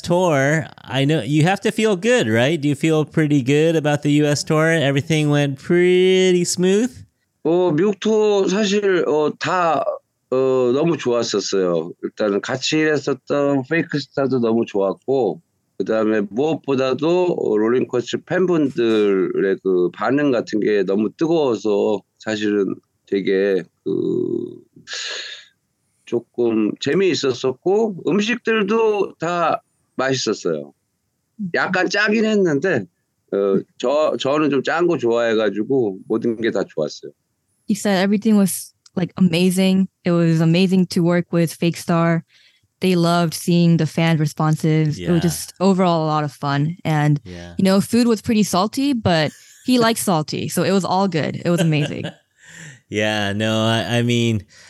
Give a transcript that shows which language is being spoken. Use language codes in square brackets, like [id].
[en] tour, I know you have to feel good, right? Do you feel pretty good about the U.S. tour? Everything went pretty smooth? [ko] 미국 투어 사실 다 너무 좋았었어요. 일단 같이 했었던 페이크 스타도 너무 좋았고, 그다음에 무엇보다도 롤링 코스 팬분들의 그 반응 같은 게 너무 뜨거워서 사실은 되게 그 조금 재미있었었고 음식들도 다 맛있었어요. 약간 짜긴 했는데 저는 좀 짠 거 좋아해가지고 모든 게 다 좋았어요. [en] He said everything was like amazing. It was amazing to work with Fake Star. They loved seeing the fan responses. Yeah. It was just overall a lot of fun. And you know, food was pretty salty, but he likes salty, so it was all good. It was amazing. Yeah. No. I mean.